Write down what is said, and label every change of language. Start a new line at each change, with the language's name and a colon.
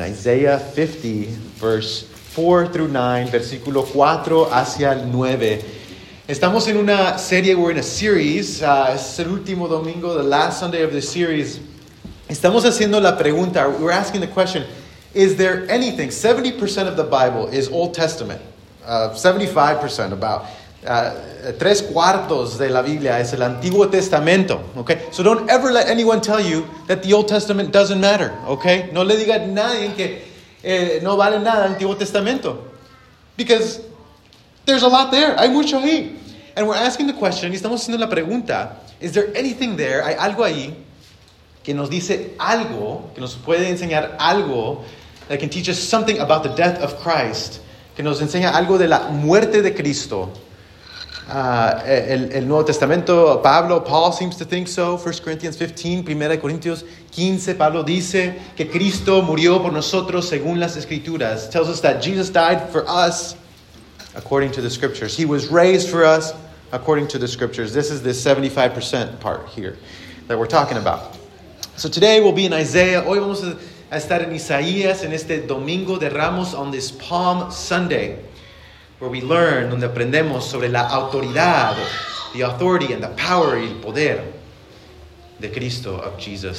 English: Isaiah 50, verse 4 through 9,
Spanish: versículo 4 hacia el 9. Estamos en una serie,
English: we're in a series.
Spanish: Es el último domingo,
English: the last Sunday of the series.
Spanish: Estamos haciendo la pregunta,
English: we're asking the question, is there anything, 70% of the Bible is Old Testament. 75% about.
Spanish: Tres cuartos de la Biblia es el Antiguo Testamento, okay?
English: So don't ever let anyone tell you that the Old Testament doesn't matter, okay?
Spanish: No le diga a nadie que no vale nada el Antiguo Testamento.
English: Because there's a lot there.
Spanish: Hay mucho ahí.
English: And we're asking the question,
Spanish: y estamos haciendo la pregunta,
English: is there anything there,
Spanish: hay algo ahí que nos dice algo, que nos puede enseñar algo,
English: that can teach us something about the death of Christ,
Spanish: que nos enseña algo de la muerte de Cristo. El Nuevo Testamento,
English: Pablo, Paul seems to think so. 1 Corinthians 15, 1 Corintios 15, Pablo dice que Cristo murió por nosotros según las Escrituras. Tells us that Jesus died for us according to the Scriptures. He was raised for us according to the Scriptures. This is the 75% part here that we're talking about. So today we'll be in Isaiah.
Spanish: Hoy vamos a estar en Isaías en este Domingo de Ramos
English: on this Palm Sunday, where we learn,
Spanish: donde aprendemos sobre la autoridad,
English: the authority and the power
Spanish: y el poder de Cristo,
English: of Jesus.